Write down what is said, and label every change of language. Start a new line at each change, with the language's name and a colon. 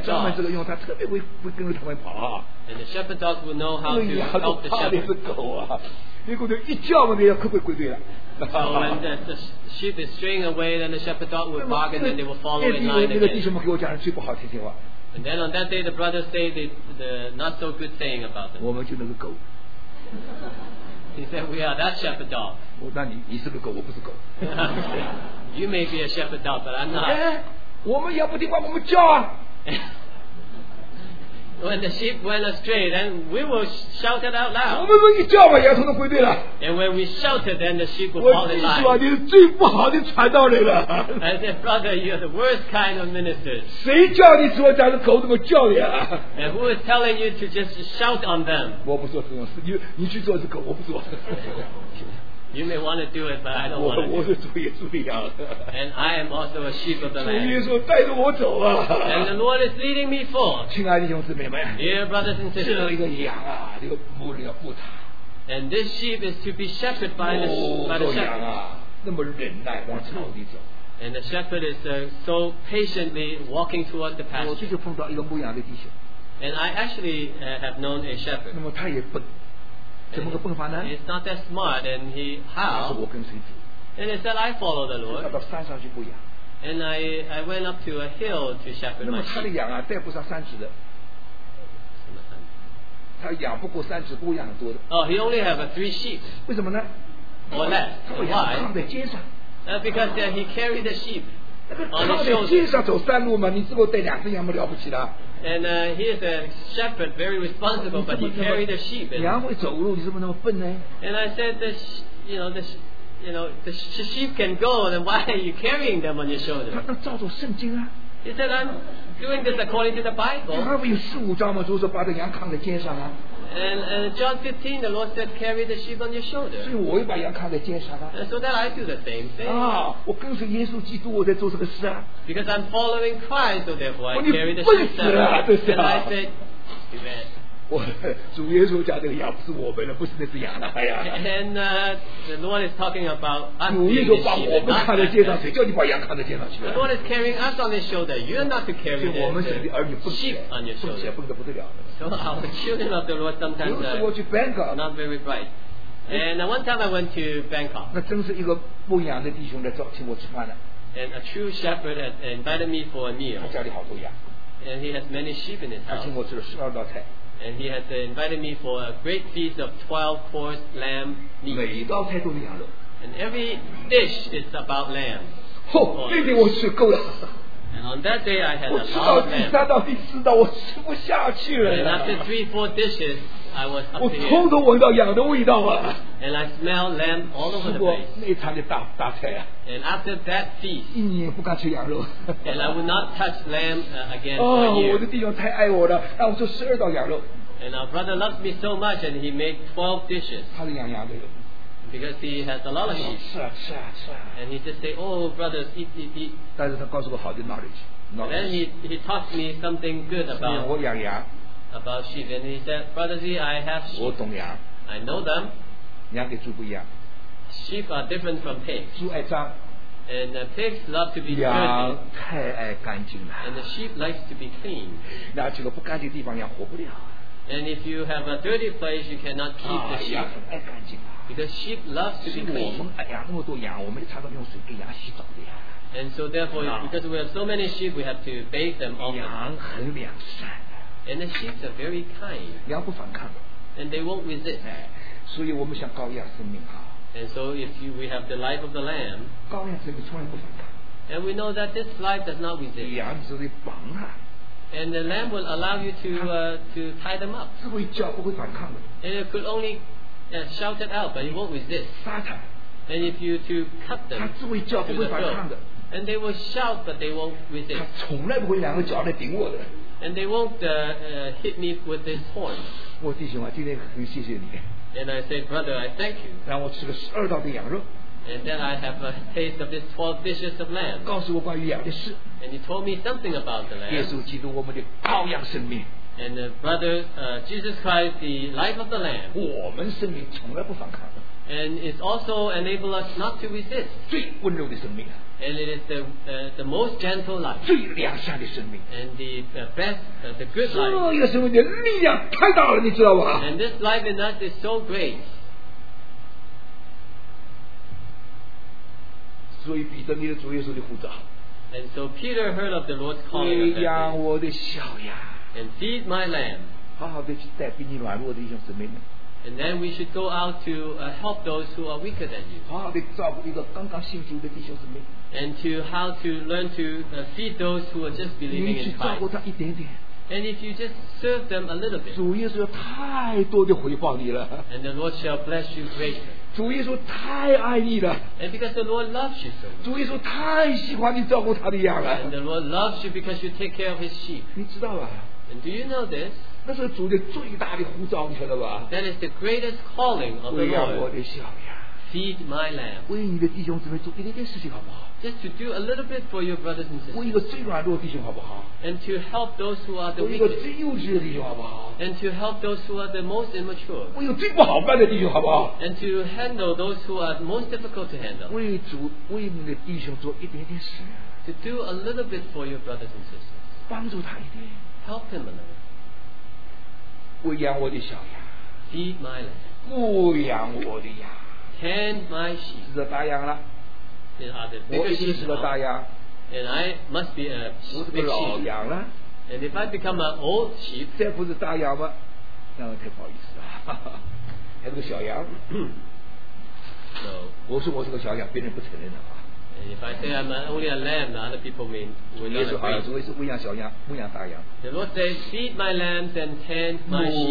Chinese: 哎，专门这个用，它特别会跟着他们跑啊。
English: And the shepherd dogs will know how to help the shepherd.
Chinese: 因为羊都怕那只狗啊，那狗一叫嘛，那要乖乖归队了。
English: So when the sheep is straying away, then the shepherd dog will bark, and then they will follow in line again.
Chinese: 弟兄们给我讲的最不好听话。
English: And then on that day, the brother say the not so good saying about them.
Chinese: 我们就那个狗。
English: He said, "We are that shepherd dog."
Chinese: 那你是个狗，我不是狗。
English: You may be a shepherd dog, but I'm not.
Chinese: 我们要不听话，我们叫啊。
English: When the sheep went astray, then we will shout it out loud.
Chinese: 我们一叫嘛，羊头都归队了。
English: And when we shouted, then the sheep will fall in line.
Chinese: 我跟你说，你是最不好的传道人了。
English: I said, brother, you are the worst kind of minister.
Chinese: 谁叫你说咱的狗怎么叫的呀？
English: And who is telling you to just shout on them?
Chinese: 我不做这种事，你去做只狗，我不做。
English: You may want to do it, but I don't want to.
Chinese: 我是主耶稣的羊。
English: And I am also a sheep of the land.
Chinese: 主耶稣带着我走啊。
English: And the Lord is leading me forth.
Chinese: 亲爱的弟兄姊妹们。
English: Dear brothers and sisters.
Chinese: 这一个羊啊，这个牧人要顾他。
English: And this sheep is to be shepherded by the shepherd.
Chinese: 做羊啊，那么忍耐往草里走。
English: And the shepherd is so patiently walking towards the pasture.
Chinese: 我这就碰到一个牧羊的弟兄。
English: And I actually have known a shepherd.
Chinese: 那么他也笨。怎么个笨法呢？
English: He's not that smart, and he how?
Chinese: 是我跟随主。
English: And he said, I follow the Lord.
Chinese: 他到山上去牧羊。
English: And I went up to a hill to shepherd my sheep.
Chinese: 那么他的羊啊，带不上三只的。什么三？他羊不过三只，不过羊很多的。
English: Oh, he only have three sheep.
Chinese: 为什么呢？
English: Or less. Why?
Chinese: 他的羊扛在肩上。
English: Because then he carried the sheep.
Chinese: 那个扛在肩上走山路嘛，你只够带两只羊嘛，了不起了。
English: And he is a shepherd, very responsible, but he carried the sheep.
Chinese: 羊会走路，你怎么那么笨呢？
English: And I said, the sheep can go, then why are you carrying them on your shoulder?
Chinese: 他那照着圣经啊。
English: He said, I'm doing this according to the Bible.
Chinese: 他不有十五章吗？就是把这羊扛在肩上啊。
English: And John 15, the Lord said, carry the sheep on your shoulder.
Chinese: 所以我也把羊扛在肩上啊。
English: And so then I do the same thing.
Chinese: 啊，我跟随耶稣基督，我在做这个事啊。
English: Because I'm following Christ, so therefore I carry the sheep.
Chinese: 你笨死了，这是。
English: And I said, stupid.
Chinese: 我主耶稣家这个羊不是我们的，不是那只羊的，哎呀。
English: And the Lord is talking about us.
Chinese: 主耶稣把我们扛在肩上，谁叫你把羊扛在肩上去了？
English: The Lord is carrying us on his shoulder. You are not to carry the sheep on your shoulder.
Chinese: 我们是儿女，笨起来，笨得不得了。
English: So our children of the Lord sometimes are not very bright. And one time I went to Bangkok.
Chinese: 那真是一个牧羊的弟兄来找请我吃饭了。
English: And a true shepherd had invited me for a meal.
Chinese: 他家里好多羊。
English: And he has many sheep in his house.
Chinese: 他请我吃了十二道菜。
English: And he has invited me for a great feast of 12 course lamb meat.
Chinese: 每一道菜都是羊肉。
English: And every dish is about lamb.
Chinese: 哦，那天我吃够了。
English: And on that day, I had a lot of lamb.
Chinese: 我吃到第三道、第四道，我吃不下去了。
English: And after three, four dishes, I was up
Chinese: here. 我偷偷闻到羊的味道啊。
English: And I smelled lamb all over the place.
Chinese: 吃过那场的大菜啊。
English: And after that feast,
Chinese: 一年不敢吃羊肉。
English: And I would not touch lamb again for a
Chinese: year. 我的弟兄太爱我了，让我做十二道羊肉。
English: And our brother loved me so much, and he made 12 dishes.
Chinese: 他是养羊的。
English: Because he has a lot of sheep.
Chinese: 是啊是啊是啊。
English: And he just say, oh, brothers, eat, eat, eat.
Chinese: 但是他告诉我好的 knowledge.
English: And then he taught me something good about,
Chinese: 我养羊。
English: About sheep. And he said, brother Z, I have sheep.
Chinese: 我懂羊。
English: I know them.
Chinese: 羊跟猪不一样。
English: Sheep are different from pigs.
Chinese: 猪爱脏。
English: And the pigs love to be dirty.
Chinese: 羊太爱干净了。
English: And the sheep likes to be clean.
Chinese: 那这个不干净的地方羊活不了。
English: And if you have a dirty place, you cannot keep the sheep.
Chinese: 羊很爱干净啊。
English: Because sheep loves to be clean.
Chinese: 我们养那么多羊，我们常常用水给羊洗澡的呀。
English: And so therefore, because we have so many sheep, we have to bathe them often.
Chinese: 羊很良善。
English: And the sheep are very kind.
Chinese: 羊不反抗。
English: And they won't resist.
Chinese: 所以我们想羔羊生命啊。
English: And so if we have the life of the lamb.
Chinese: 羔羊生命从来不反抗。
English: And we know that this life does not resist.
Chinese: 羊就会绑他。
English: And the lamb will allow you to tie them up.
Chinese: 只会叫不会反抗的。
English: And it could only shout it out, but it won't resist.
Chinese: 杀他。
English: And if you to cut them,
Chinese: 他只会叫不会反抗的。
English: And they will shout, but they won't resist.
Chinese: 他从来不会两个脚来顶我的。
English: And they won't hit me with this horn.
Chinese: 我弟兄啊，今天很谢谢你。
English: And I say, brother, I thank you.
Chinese: 然后我吃个十二道的羊肉。
English: And then I have a taste of this 12 dishes of lamb.
Chinese: 告诉我关于羊的事。
English: And he told me something about the lamb.
Chinese: 耶稣基督，我们的羔羊生命。
English: And brother, Jesus Christ, the life of the lamb.
Chinese: 我们生命从来不反抗。
English: And it also enables us not to resist.
Chinese: 最温柔的生命。
English: And it is the most gentle life.
Chinese: 最良善的生命。
English: And the best, the good life.
Chinese: 这个生命的力量太大了，你知道吧？
English: And this life in us is so great.
Chinese: 所以彼得你的主耶稣的呼召。
English: And so Peter heard of the Lord's calling.
Chinese: 你养我的小羊。
English: And feed my lamb.
Chinese: 好好的去带比你软弱的弟兄姊妹们。
English: And then we should go out to help those who are weaker than you.
Chinese: 好好的照顾一个刚刚信主的弟兄姊妹。
English: And to how to learn to feed those who are just believing in Christ.
Chinese: 你去照顾他一点点。
English: And if you just serve them a little bit.
Chinese: 主耶稣要太多的回报你了。
English: And the Lord shall bless you greatly.
Chinese: 主耶稣太爱你了。
English: And because the Lord loves you so.
Chinese: 主耶稣太喜欢你照顾他的羊了。
English: And the Lord loves you because you take care of his sheep.
Chinese: 你知道吧？
English: And do you know this?
Chinese: 那是主的最大的呼召，你晓得吧？
English: That is the greatest calling of the Lord.
Chinese: 喂养我的小羊。
English: Feed my lamb.
Chinese: 为你的弟兄姊妹做一点点事情好不好？
English: Just to do a little bit for your brothers and sisters.
Chinese: 为一个最软弱的弟兄好不好？
English: And to help those who are the weakest.
Chinese: 为一个最幼稚的弟兄好不好？
English: And to help those who are the most immature.
Chinese: 为有最不好办的弟兄，好不好？
English: And to handle those who are most difficult to handle.
Chinese: 为主，为你的弟兄做一点点事。
English: To do a little bit for your brothers and sisters.
Chinese: 帮助他一点。
English: Help him a little.
Chinese: 喂养我的小羊。
English: Feed my lamb.
Chinese: 牧养我的羊。
English: Tend my sheep.
Chinese: 是大羊了。我一定是个大羊。
English: And I must be a big sheep.
Chinese: 我是个老羊了。
English: And if I become an old sheep,
Chinese: 这不是大羊吗？那太不好意思了，还是个小羊。
English: So,
Chinese: 我是个小羊，别人不承认的话。
English: If I say I'm only a lamb, other people may not agree.
Chinese: 耶稣好像说，是喂养小羊，牧养大羊。
English: The Lord says, feed my lambs and tend my sheep.